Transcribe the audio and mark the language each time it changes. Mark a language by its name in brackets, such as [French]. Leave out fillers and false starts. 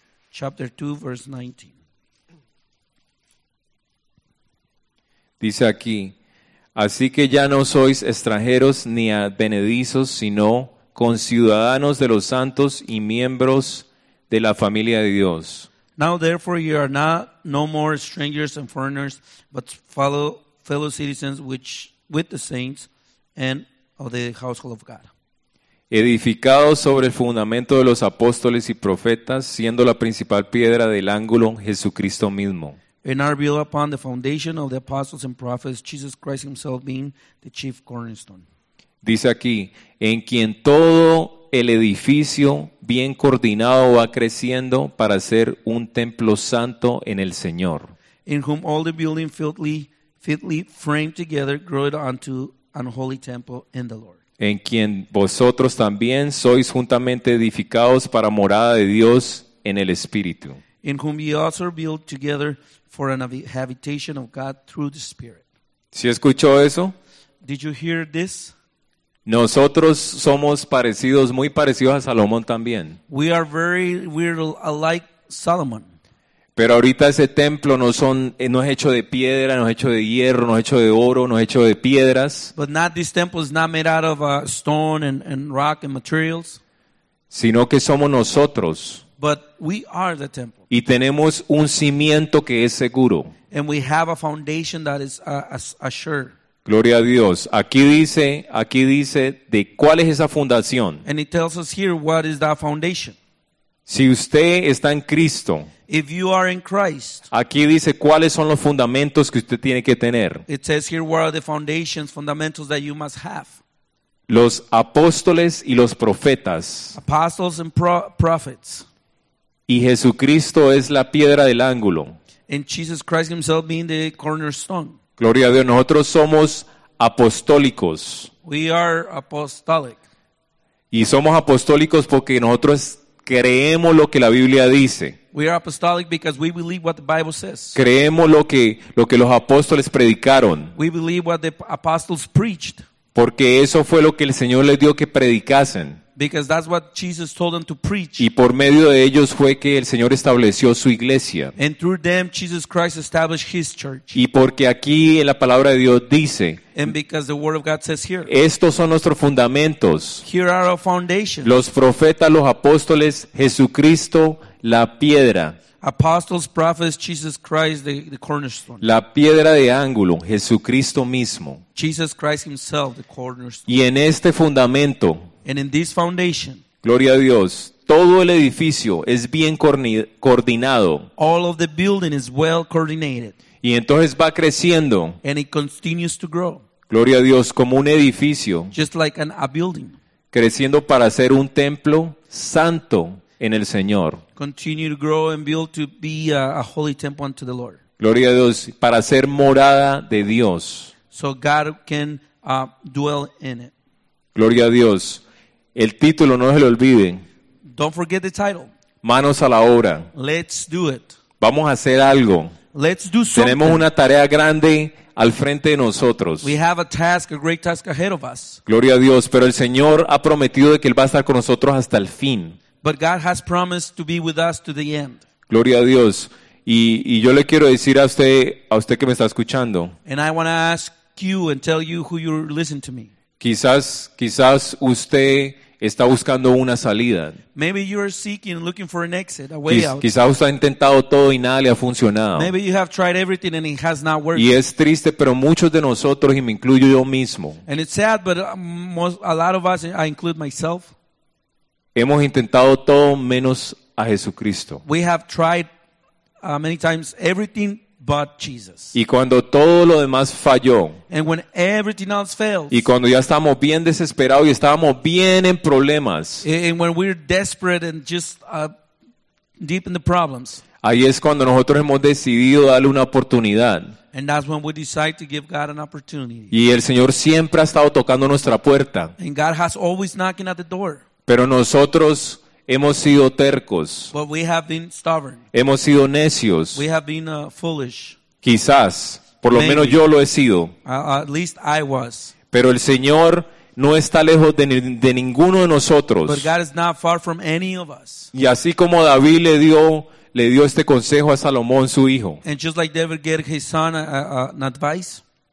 [English] Chapter 2, verse 19. [Spanish] Dice aquí, Así que ya no sois extranjeros ni advenedizos, sino conciudadanos de los santos y miembros de la familia de Dios. [English] Now therefore you are no more strangers and foreigners, but fellow citizens with the saints and of the household of God. [Spanish] Edificados sobre el fundamento de los apóstoles y profetas, siendo la principal piedra del ángulo Jesucristo mismo. [English] And are built upon the foundation of the apostles and prophets, Jesus Christ himself being the chief cornerstone. [Spanish] Dice aquí, en quien todo el edificio bien coordinado va creciendo para ser un templo santo en el Señor. [English] In whom all the building fitly framed together grows unto an holy temple in the Lord. [Spanish] En quien vosotros también sois juntamente edificados para morada de Dios en el Espíritu. [English] In whom ye also are built together for an habitation of God through the Spirit. [Spanish] ¿Sí escuchó eso? [English] Did you hear this? [Spanish] Nosotros somos parecidos, muy parecidos a Salomón también. [English] We're alike Solomon. [Spanish] Pero ahorita ese templo no es hecho de piedra, no es hecho de hierro, no es hecho de oro, no es hecho de piedras. [English] But not this temple is not made out of stone and rock and materials. [Spanish] Sino que somos nosotros. [English] But we are the temple. [Spanish] Y tenemos un cimiento que es seguro. [English] And we have a foundation that is assured. [Spanish] Gloria a Dios. Aquí dice de cuál es esa fundación. [English] And it tells us here what is that foundation. [Spanish] Si usted está en Cristo. [English] If you are in Christ. [Spanish] Aquí dice cuáles son los fundamentos que usted tiene que tener. [English] It says here what are the fundamentals that you must have. [Spanish] Los apóstoles y los profetas. [English] Apostles and prophets. [Spanish] Y Jesucristo es la piedra del ángulo. [English] And Jesus Christ himself being the cornerstone. [Spanish] Gloria a Dios, nosotros somos apostólicos. [English] We are apostolic. [Spanish] Y somos apostólicos porque nosotros creemos lo que la Biblia dice. [English] We are apostolic because we believe what the Bible says. [Spanish] Creemos lo que los apóstoles predicaron. [English] We believe what the apostles preached. [Spanish] Porque eso fue lo que el Señor les dio que predicasen. [English] Because that's what Jesus told them to preach. [Spanish] Y por medio de ellos fue que el Señor estableció su iglesia. [English] And through them Jesus Christ established his church. [Spanish] Y porque aquí en la palabra de Dios dice. [English] And because the word of God says here. [Spanish] Estos son nuestros fundamentos. [English] Here are our foundations. [Spanish] Los profetas, los apóstoles, Jesucristo, la piedra. [English] Apostles, prophets, Jesus Christ, the cornerstone. [Spanish] La piedra de ángulo, Jesucristo mismo. [English] Jesus Christ himself, the cornerstone. [Spanish] Y en este fundamento. [English] And in this foundation, [Spanish] gloria a Dios, todo el edificio es bien coordinado. [English] All of the building is well coordinated. [Spanish] Y entonces va creciendo. [English] And it continues to grow. [Spanish] Gloria a Dios, como un edificio. [English] Just like a building. [Spanish] Creciendo para ser un templo santo en el Señor. [English] Continue to grow and build to be a holy temple unto the Lord. [Spanish] Gloria a Dios, para ser morada de Dios. [English] So God can dwell in it. [Spanish] Gloria a Dios. El título no se lo olviden. [English] Don't forget the title. [Spanish] Manos a la obra. [English] Let's do it. [Spanish] Vamos a hacer algo. [English] Let's do something. [Spanish] Tenemos una tarea grande al frente de nosotros. [English] We have a task, a great task ahead of us. [Spanish] Gloria a Dios, pero el Señor ha prometido de que él va a estar con nosotros hasta el fin. [English] But God has promised to be with us to the end. [Spanish] Gloria a Dios. Y yo le quiero decir a usted que me está escuchando. [English] And I want to ask you and tell you who you're listening to me. [Spanish] Quizás usted está buscando una salida. [English] Maybe you are seeking and looking for an exit, a way out. [Spanish] Quizás usted ha intentado todo y nada le ha funcionado. [English] Maybe you have tried everything and it has not worked. [Spanish] Y es triste, pero muchos de nosotros, y me incluyo yo mismo. [English] And it's sad, but a lot of us, I include myself. [Spanish] Hemos intentado todo menos a Jesucristo. [English] We have tried many times everything but Jesus. [Spanish] Y cuando todo lo demás falló. [English] And when everything else fails. [Spanish] Y cuando ya estábamos bien desesperados y estábamos bien en problemas. [English] And when we're desperate and just deep in the problems. [Spanish] Ahí es cuando nosotros hemos decidido darle una oportunidad. [English] And that's when we decide to give God an opportunity. [Spanish] Y el Señor siempre ha estado tocando nuestra puerta. [English] And God has always knocking at the door. [Spanish] Pero nosotros hemos sido tercos. [English] But we have been stubborn. [Spanish] Hemos sido necios. [English] We have been foolish. [Spanish] Quizás, por lo [English] Maybe. [Spanish] Menos yo lo he sido. [English] At least I was. [Spanish] Pero el Señor no está lejos de ninguno de nosotros. [English] But God is not far from any of us. [Spanish] Y así como David le dio este consejo a Salomón, su hijo. [English] And just like David gave his son an advice.